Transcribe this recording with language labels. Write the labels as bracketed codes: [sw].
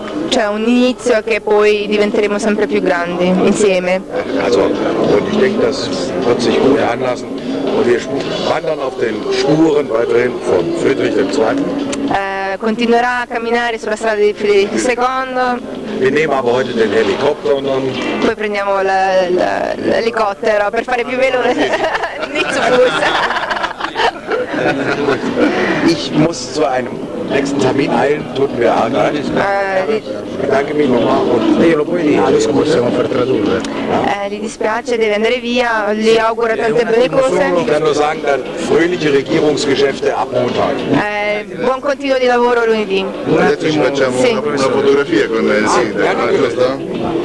[it] C'è un inizio che poi diventeremo sempre più grandi insieme. [de] Also, und ich denke, das wird sich gut anlassen und wir wandern auf den Spuren weiterhin von Friedrich II. [it] Continuerà a camminare sulla strada di Friedrich II. [de] Wir nehmen aber heute den Helikopter und dann. [it] Poi prendiamo l'elicottero per fare più veloce. [de] Nicht zu Fuß. Ich muss zu einem nächsten Termin eilen, tut mir auch nicht. Danke mich nochmal und [it] lo puoi dire, [de] alles Gute, [it] siamo per tradurre. Gli dispiace, deve andare via, gli auguro tante belle cose. [de] Kann sagen, dann fröhliche Regierungsgeschäfte ab Montag. [it] Buon continuo di lavoro lunedì. Adesso ci facciamo una fotografia con il sindaco.